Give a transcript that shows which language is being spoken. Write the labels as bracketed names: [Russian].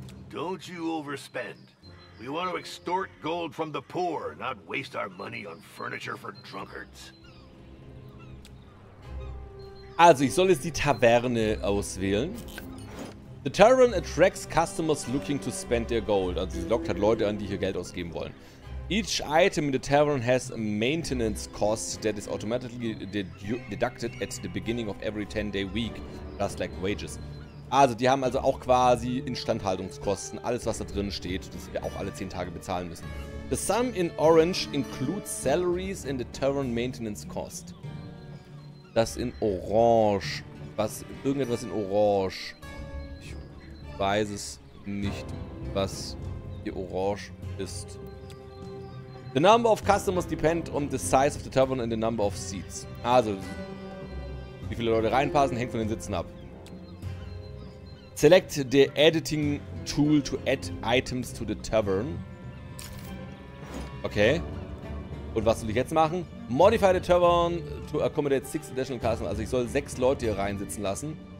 [English] Don't you overspend. We want to extort gold from the poor, not waste our money on furniture for drunkards. [German] Also, ich soll jetzt die Taverne auswählen. [English] The tavern attracts customers looking to spend their gold. [German] Also sie lockt halt Leute an, die hier Geld ausgeben wollen. [English] Each item in the tavern has a maintenance cost that is automatically deducted at the beginning of every 10-day week. Just like wages. [German] Also die haben also auch quasi Instandhaltungskosten. Alles was da drin steht, das wir auch alle 10 Tage bezahlen müssen. [English] The sum in orange includes salaries and the tavern maintenance cost. [German] Das in orange. Was? Irgendetwas in orange. Ich weiß es nicht, was hier orange ist. [English] The number of customers depend on the size of the tavern and the number of seats. [German] Also, wie viele Leute reinpassen, hängt von den Sitzen ab. [English] Select the editing tool to add items to the tavern. Okay. [German] Und was soll ich jetzt machen? [English] Modify the tavern to accommodate 6 additional customers. [German] Also ich soll 6 Leute hier reinsitzen lassen.